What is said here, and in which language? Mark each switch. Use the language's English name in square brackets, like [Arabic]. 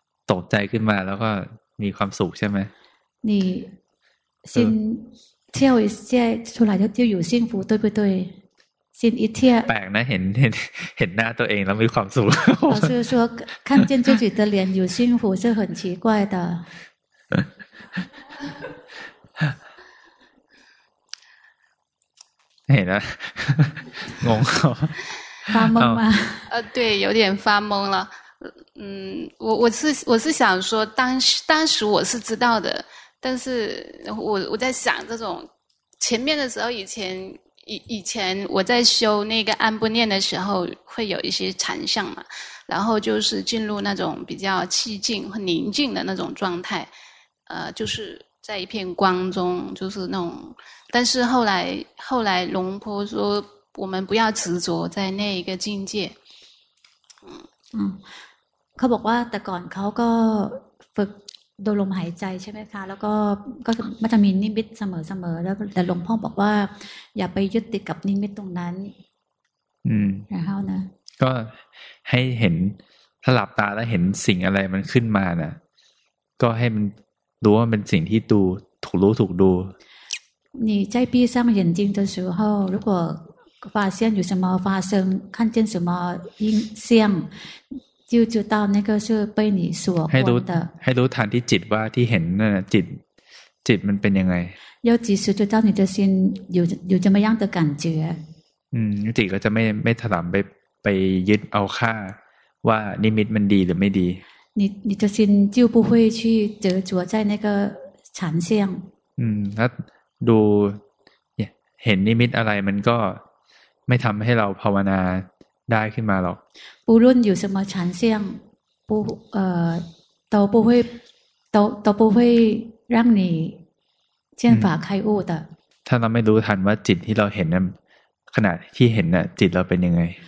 [Thai] ตกใจขึ้นมาแล้วก็มีความสุขใช่ไ [Chinese] หม你心跳一下出来就有幸福对不对心一跳 [Thai] แปลกนะเห็นหน้าตัวเองแล้วมีความสุข [Chinese] 老师说看见自己的脸有幸福是很奇怪的 [Thai] เห็นแล้วงง ฟ้ามึงมา [Chinese] 对有点发懵了我是想说当时我是知道的但是我在想这种前面的时候以前我在修那个安不念的时候会有一些禅相嘛然后就是进入那种比较寂静和宁静的那种状态就是在一片光中就是那种但是后来龙婆说我们不要执着在那一个境界 [Thai] เขาบอกว่าแต่ก่อนเขาก็ฝึกดูลมหายใจใช่ไหมคะแล้วก็มันจะมีนิมิตเสมอๆแล้วแต่หลวงพ่อบอกว่าอย่าไปยึดติดกับนิมิตตรงนั้นแล้วนะ ก็ให้เห็นถ้าหลับตาแล้วเห็นสิ่งอะไรมันขึ้นมานะก็ให้มันรู้ว่ามันสิ่งที่ดูถูกรู้ถูกดู [Chinese] 你在闭上眼睛的时候如果发现有什么发生看见什么音声就知道那个是被你所观的 [Thai] ให้รู้ทันที่จิตว่าที่เห็นนั่นจิตมันเป็นยังไง [Chinese] 要及时知道你的心有怎么样的感觉 [Thai] จิตก็จะไม่ถลำไปยึดเอาค่าว่านิมิตมันดีหรือไม่ดี [Chinese] 你的心就不会去执着在那个禅相 [Thai] แล้วดูเห็นนิมิตอะไรมันก็ไม่ทำให้เราภาวนาได้ขึ้นมาหรอก [Chinese] 不论有什么禅相不都不会都不会让你见法开悟的 [Thai] ถ้าเราไม่รู้ทันว่าจิตที่เราเห็นนั้นขณะที่เห็นน่ะจิตเราเป็นยังไง